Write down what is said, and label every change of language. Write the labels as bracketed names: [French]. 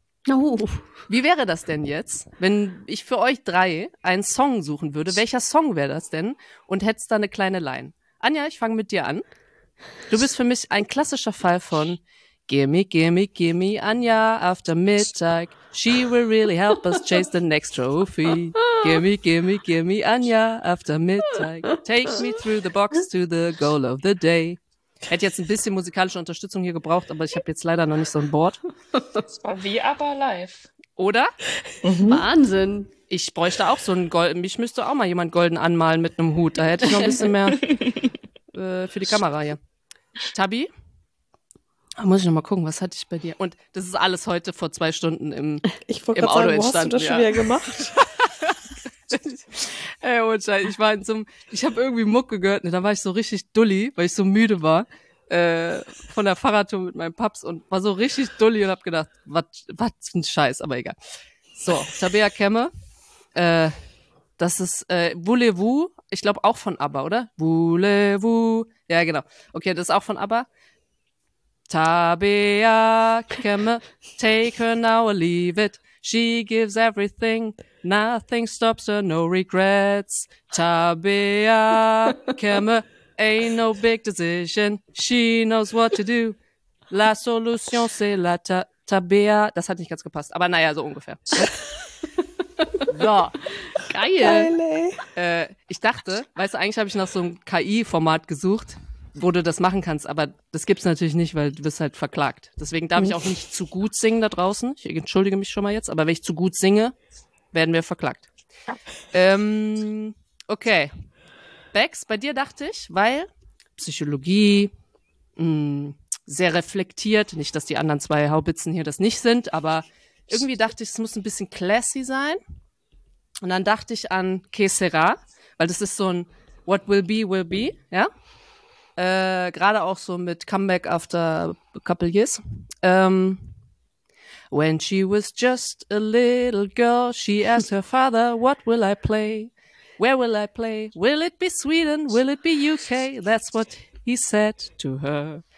[German] oh, wie wäre das denn jetzt, wenn ich für euch drei einen Song suchen würde? Welcher Song wäre das denn? Und hättest da eine kleine Line. Anja, ich fange mit dir an. Du bist für mich ein klassischer Fall von Gimme, gimme, gimme Anja after Mittag. [English] She will really help us chase the next trophy. Gimme, gimme, gimme Anja after Mittag. Take me through the box to the goal of the day. [German] Hätte jetzt ein bisschen musikalische Unterstützung hier gebraucht, aber ich habe jetzt leider noch nicht so ein Board. Das war wie aber live. Oder? Mhm. Wahnsinn. Ich bräuchte auch so einen golden, mich müsste auch mal jemand golden anmalen mit einem Hut. Da hätte ich noch ein bisschen mehr für die Kamera hier. Tabi? Da muss ich noch mal gucken, was hatte ich bei dir? Und das ist alles heute vor 2 Stunden im Auto entstanden. Ich wollte gerade sagen, wo hast du das schon wieder gemacht? Ey, Mutter, ich war in so einem, ich habe irgendwie Mucke gehört, ne, da war ich so richtig dulli, weil ich so müde war, von der Fahrradtour mit meinem Paps und war so richtig dulli und habe gedacht, was für ein Scheiß, aber egal. So, Tabea Kemme, das ist Voulez-vous, ich glaube auch von ABBA, oder? Voulez-vous, ja genau, okay, das ist auch von ABBA. [English] Tabea Kemme, take her now or leave it. She gives everything, nothing stops her, no regrets. Tabea Kemme, ain't no big decision, she knows what to do. [French] La solution, c'est la Tabea. [German] Das hat nicht ganz gepasst, aber naja, so ungefähr. So, geil. Geil, ich dachte, weißt du, eigentlich habe ich nach so einem KI-Format gesucht, wo du das machen kannst, aber das gibt's natürlich nicht, weil du bist halt verklagt. Deswegen darf ich auch nicht zu gut singen da draußen. Ich entschuldige mich schon mal jetzt, aber wenn ich zu gut singe, werden wir verklagt. Okay. Bex, bei dir dachte ich, weil Psychologie, sehr reflektiert, nicht, dass die anderen zwei Haubitzen hier das nicht sind, aber irgendwie dachte ich, es muss ein bisschen classy sein. Und dann dachte ich an Que Sera, weil das ist so ein What will be, ja? Gerade auch so mit Comeback after a couple years. [English] When she was just a little girl, she asked her father, what will I play? Where will I play? Will it be Sweden? Will it be UK? That's what he said to her.